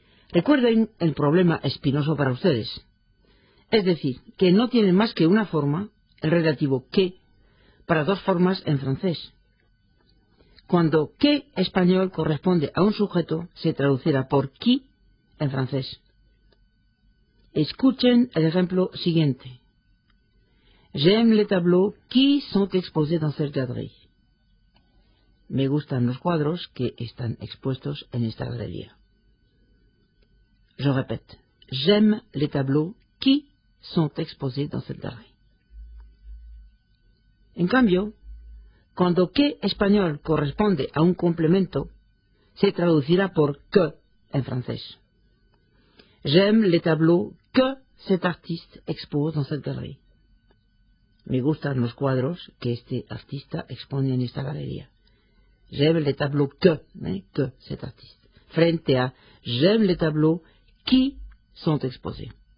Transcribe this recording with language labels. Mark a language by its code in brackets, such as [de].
[es] Recuerden el problema espinoso para ustedes. Es decir, que no tienen más que una forma, el relativo que, para dos formas en francés. Cuando qué español corresponde a un sujeto, se traducirá por qui en francés. Escuchen el ejemplo siguiente. [fr] J'aime les tableaux qui sont exposés dans cette galerie. [es] Me gustan los cuadros que están expuestos en esta galería. [fr] Je répète. J'aime les tableaux qui sont exposés dans cette galerie. [es] En cambio, cuando qué español corresponde a un complemento, se traducirá por que en francés. [fr] J'aime les tableaux que cet artiste expose dans cette galerie. [es] Me gustan los cuadros que este artista expone en esta galería. [fr] J'aime les tableaux que cet artiste. [es] Frente a [fr] j'aime les tableaux qui sont exposés.